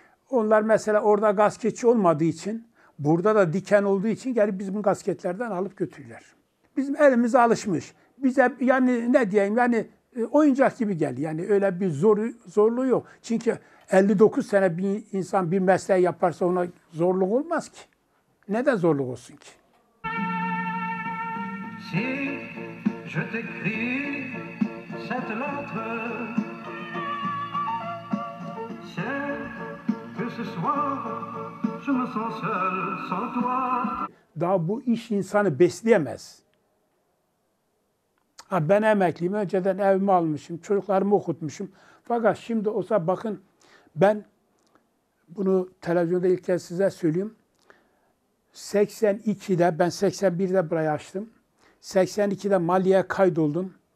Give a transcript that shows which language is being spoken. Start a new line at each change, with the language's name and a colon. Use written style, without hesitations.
Turkish: Onlar mesela orada gasketçi olmadığı için, burada da diken olduğu için gelip bizim gasketlerden alıp götürürler. Bizim elimiz alışmış. Bize yani ne diyeyim yani oyuncak gibi geldi. Yani öyle bir zorluğu yok. Çünkü 59 sene bir insan bir mesleği yaparsa ona zorluk olmaz ki. Neden zorluk olsun ki?
French: Si je t'écris cette lettre, c'est que ce soir je me sens seul sans toi.
Turkish: Daha bu iş insanı besleyemez. Ha, ben emekliyim, önceden evimi almışım, çocuklarımı okutmuşum. Fakat şimdi olsa bakın, ben bunu televizyonda ilk kez size söyleyeyim. 82'de, ben 81'de burayı açtım. 82'de Maliye'ye kaydoldum.